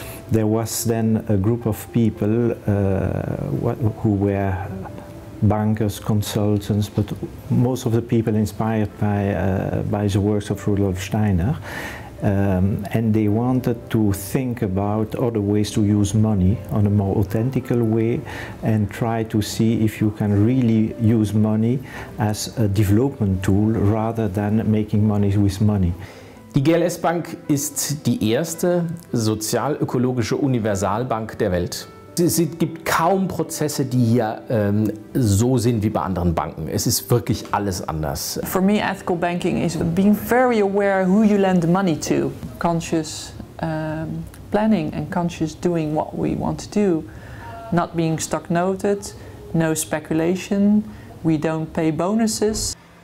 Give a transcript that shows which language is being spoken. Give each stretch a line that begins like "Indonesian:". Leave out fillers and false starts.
English: there was then a group of people who were bankers, consultants, but most of the people inspired by the works of Rudolf Steiner. And they wanted to think about other ways to use money on a more authentical way and try to see if you can really use money as a development tool rather than making money with money.
German: Die GLS Bank ist die erste sozial-ökologische Universalbank der Welt. Es gibt kaum Prozesse, die hier so sind wie bei anderen Banken. Es ist wirklich alles anders.
English: For me, ethical banking is being very aware who you lend the money to. Conscious planning and conscious doing what we want to do. Not being stock-noted, no speculation, we don't pay bonuses.